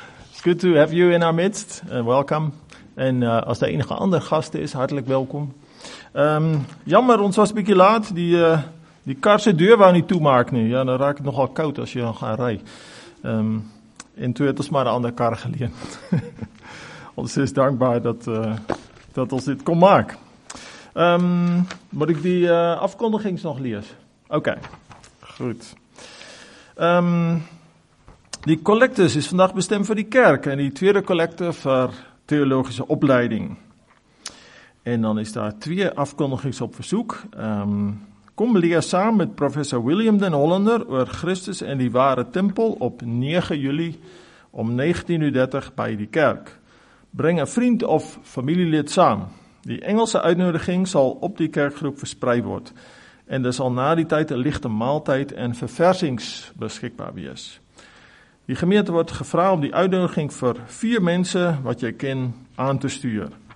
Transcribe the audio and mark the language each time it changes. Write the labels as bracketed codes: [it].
[en] It's good to have you in our midst, welcome. [af] En as daar enige ander gaste is, hartlik welkom. Jammer, ons was bietjie laat, die karse deur wou nie toemaak nie. Ja, dan raak het nogal koud as jy dan gaan ry. En toe het ons maar een ander kar geleen. Ons is dankbaar dat ons dit kon maak. Moet ik die afkondigings nog lees? Oké, goed. [nl] Die collectus is vandaag bestemd voor die kerk en die tweede collecte voor theologische opleiding. En dan is daar twee afkondigings op verzoek. Kom leer samen met professor William den Hollander over Christus en die ware tempel op 9 juli om 19:30 bij die kerk. Breng een vriend of familielid samen. [af] Die Engelse uitnodiging sal op die kerkgroep verspreid word en daar sal na die tyd 'n ligte maaltyd en verversings beskikbaar wees. Die gemeente word gevra om die uitnodiging vir 4 mense wat jy ken aan te stuur.